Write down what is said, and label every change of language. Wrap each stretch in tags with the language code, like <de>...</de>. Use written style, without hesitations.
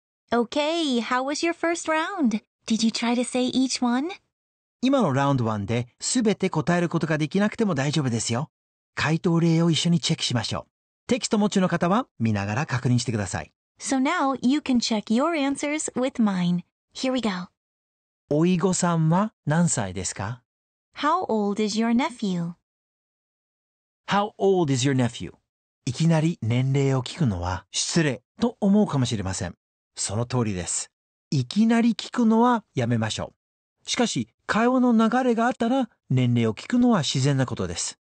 <en>Okay, how was your first round? Did you try to say each one?</en> <ja>今のラウンド1で全て答えることができなくても大丈夫ですよ。回答例を一緒にチェックしましょう。テキスト持ちの方は見ながら確認してください。</ja> <en>So now you can check your answers with mine. Here we go.</en> <ja>おいごさんは何歳ですか?</ja> <en>How old is your nephew? How old is your nephew?</en> <ja>いきなり年齢を聞くのは失礼と思うかもしれません。その通りです。いきなり聞くのはやめましょう。しかし、会話の流れがあったら、年齢を聞くのは自然なことです。</ja>